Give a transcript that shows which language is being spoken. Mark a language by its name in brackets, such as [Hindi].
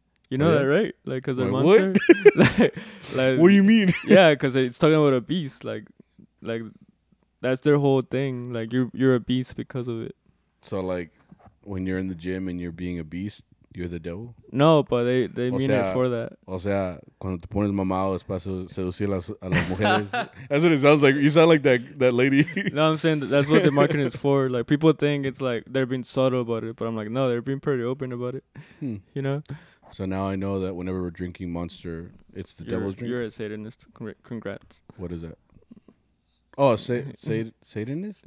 [English] You know that, right? Like, cause wait, a monster. What? like, what do you mean? Yeah, cause it's talking about a beast. Like that's their whole thing. Like, you're a beast because of it. So like, when you're in the gym and you're being a beast. You're the devil? No, but they [Spanish] o [English] mean [Spanish] sea, [English] it for that. [Spanish] O sea, cuando te pones mamado es para seducir a las mujeres. [English] That's what it sounds like. You sound like that lady. No, I'm saying that's what the marketing is for. Like, people think it's like they're being subtle about it, but I'm like, no, they're being pretty open about it, you know? So now I know that whenever we're drinking Monster, it's the devil's drink? You're a Satanist. Congrats. What is that? Oh, Satanist?